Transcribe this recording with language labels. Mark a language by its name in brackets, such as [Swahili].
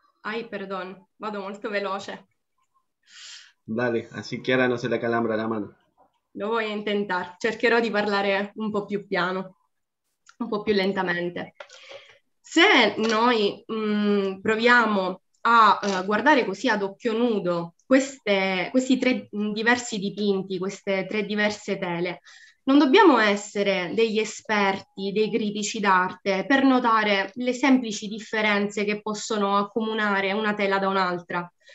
[Spanish] Ay, perdón, [Italian] vado molto veloce. [Spanish] Dale, así que ahora no se le calambra la mano. [Italian] Lo voglio intentare, cercherò di parlare un po' più piano, un po' più lentamente. Se noi proviamo a guardare così ad occhio nudo questi tre diversi dipinti, queste tre diverse tele, non dobbiamo essere degli esperti, dei critici d'arte per notare le semplici differenze che possono accomunare una tela da un'altra.